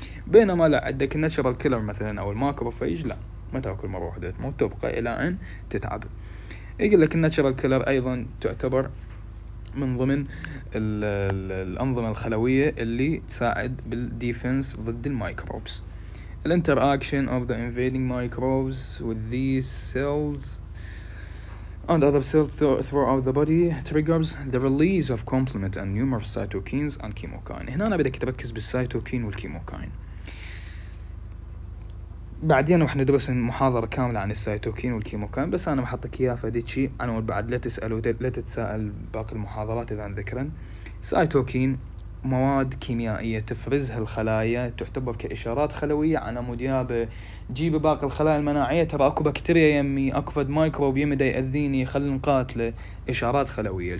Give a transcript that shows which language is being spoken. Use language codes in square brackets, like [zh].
[ar] بينما لا عندك الناتشرال كيلر مثلا او الماكروفاج لا، ما تاكل مره واحده تموت، تبقى الى ان تتعب. يقول لك الناتشرال كيلر ايضا تعتبر من ضمن الانظمه الخلويه اللي تساعد بالديفنس ضد الميكروبس. [en] الانتر اكشن of the invading microbes with this cells And other cells throughout the body triggers the release of complement and numerous cytokines and chemokine. [ar] هنا أنا بدك تركز بالسيتوكين والكيموكاين. بعدين رح ندرس محاضرة كاملة عن السيتوكين والكيموكاين، بس أنا بحطك إياها في ديتشي. أنا أقول بعد لا تسألوا لا تتساءل باقي المحاضرات إذا ذكرن. سيتوكين مواد كيميائية تفرزها الخلايا، تعتبر كإشارات خلوية على مديابة جيب باقي الخلايا المناعية، ترى أكو بكتيريا يمي، أكو فد مايكروب يمي داي أذيني، خلي نقاتله، إشارات خلوية.